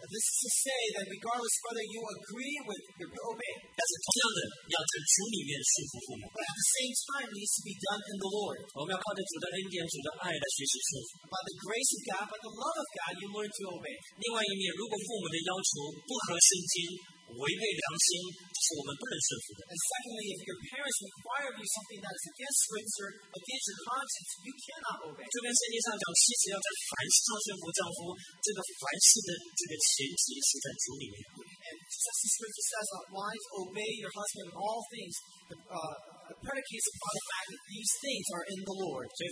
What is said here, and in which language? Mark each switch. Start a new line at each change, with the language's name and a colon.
English: This is to say that regardless whether you agree with your obey,
Chinese: 但是同样的，要在主里面顺服父母。
English: But at the same time, it needs to be done in the Lord.
Chinese: 我们要靠着主的恩典，主的爱来学习顺服。
English: By the grace of God, by the love of God, you learn to obey.
Chinese: 另外一面，如果父母的要求不合圣经。违背良心，是我们不能顺服的。
English: And secondly, if your parents require of you something that is against scripture, against your conscience, you cannot obey.
Chinese: 这边圣经上讲，妻子要在凡事上顺服丈夫，这个凡事的这个前提是在主里面。
English: And just the scripture says, wives, obey your husband in all things. The predicates upon the fact that these things are in the Lord.